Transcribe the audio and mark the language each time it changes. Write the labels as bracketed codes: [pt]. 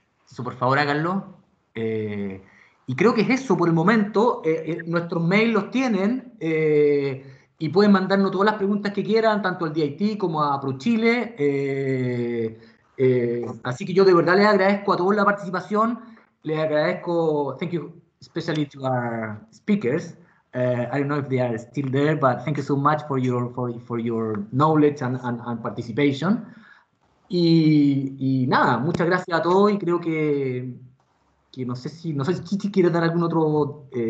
[es] Eso, por favor, háganlo. Y creo que es eso por el momento. Nuestros mails los tienen y pueden mandarnos todas las preguntas que quieran, tanto al DIT como a ProChile. Así que yo de verdad les agradezco a todos la participación. Les agradezco, [en] thank you especially to our speakers. I don't know if they are still there, but thank you so much for your knowledge and participation. [es] Y nada, muchas gracias a todos y creo que no sé si Chichi quiere dar algún otro...